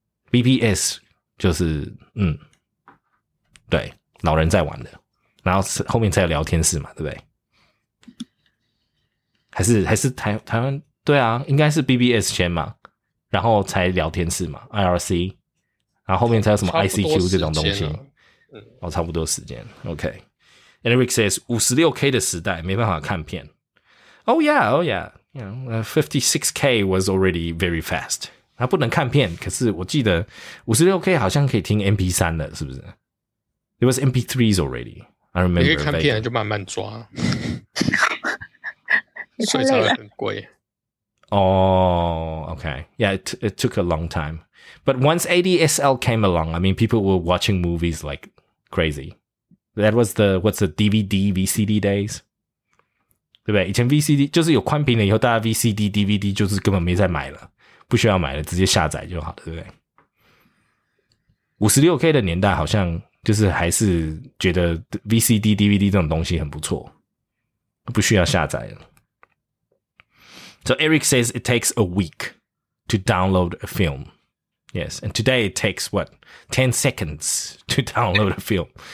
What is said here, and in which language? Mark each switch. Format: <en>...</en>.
<zh>BBS 就是对，老人在玩的。然后后面才有聊天室嘛，对不对？还是台湾，对啊，应该是 BBS 先嘛。然后才聊天室嘛 ,IRC, 然后后面才有什么 ICQ 这种东西。差不多时间。OK. And Eric says, 56K 的时代没办法看片。</zh> <en>56K was already very fast.</en> <zh>他不能看片，可是我记得 56K 好像可以听 MP3 了，是不是？</zh> <en>It was MP3s already. I remember.</en> <zh>你可以看片就慢慢抓。睡着很贵。</zh> <en>It took a long time. But once ADSL came along, I mean, people were watching movies like crazy. That was the DVD, VCD days?</en> <zh>对不对？以前 VCD, 就是有宽屏了以后，大家 VCD, DVD 就是根本没再买了，不需要买了，直接下载就好了，对不对？ 56K 的年代好像就是还是觉得 VCD, DVD 这种东西很不错，不需要下载了。</zh> <en>So Eric says it takes a week to download a film. Yes, and today it takes, 10 seconds to download a film.</en>